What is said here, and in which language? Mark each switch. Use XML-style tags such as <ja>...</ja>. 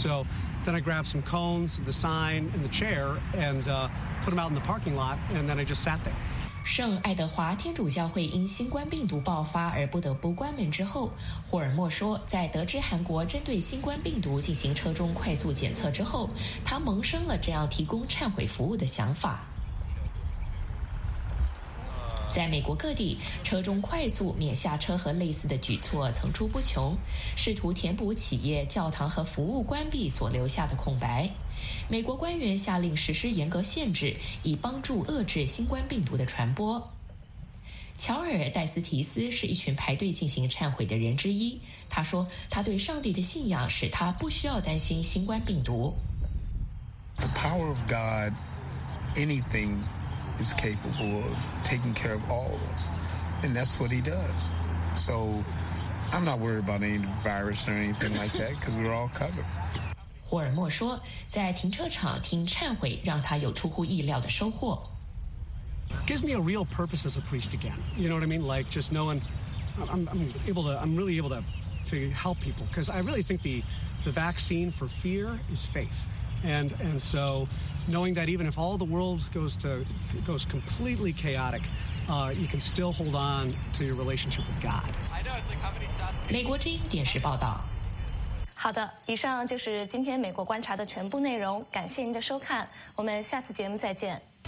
<en>So then I grabbed some cones, the sign, and the chair, and put them out in the parking lot, and then I just sat there.</en> <zh>圣爱德华天主教会因新冠病毒爆发而不得不关门之后，霍尔默说，在得知韩国针对新冠病毒进行车中快速检测之后，他萌生了这样提供忏悔服务的想法。在美国各地，车中快速免下车和类似的举措层出不穷，试图填补企业、教堂和服务关闭所留下的空白。美国官员下令实施严格限制，以帮助遏制新冠病毒的传播。乔尔·戴斯提斯是一群排队进行忏悔的人之一，他说他对上帝的信仰使他不需要担心新冠病毒。</zh> <en>The power of God, anything is capable of taking care of all of us, and that's what he does. So I'm not worried about any virus or anything like that because we're all covered.</en> <zh>霍尔默说，在停车场听忏悔让他有出乎意料的收获。</zh> <en>Gives me a real purpose as a priest again. You know what I mean? Like just knowing, I'm really able to help people because I really think the vaccine for fear is faith. And so knowing that even if all the world goes completely chaotic, you can still hold on to your relationship with God. I know it's like how many shots.</en> <zh>美国之音电视报道。好的，以上就是今天美国观察的全部内容，感谢您的收看，我们下次节目再见。</zh>